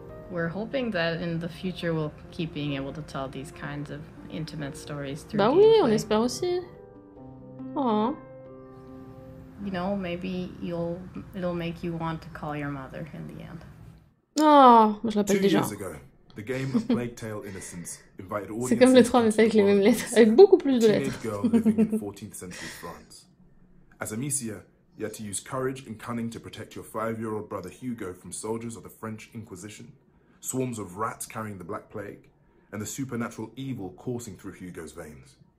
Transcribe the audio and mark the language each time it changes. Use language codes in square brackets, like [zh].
[en] We're hoping that in the future we'll keep being able to tell these kinds of intimate stories through Bah gameplay. [fr] Oui, on espère aussi. Oh. [en] You know, maybe it'll make you want to call your mother in the end. [fr] Oh, je l'appelle déjà. [en] The game of Plague Tale Innocence invited audiences. [fr] C'est comme le 3 mais avec les mêmes lettres, avec beaucoup plus de lettres. [en] Teenage girl living in 14th century France. As Amicia, you had to use courage and cunning to protect your 5-year-old brother Hugo from soldiers of the French Inquisition, swarms of rats carrying the Black Plague, and the supernatural evil coursing through Hugo's veins.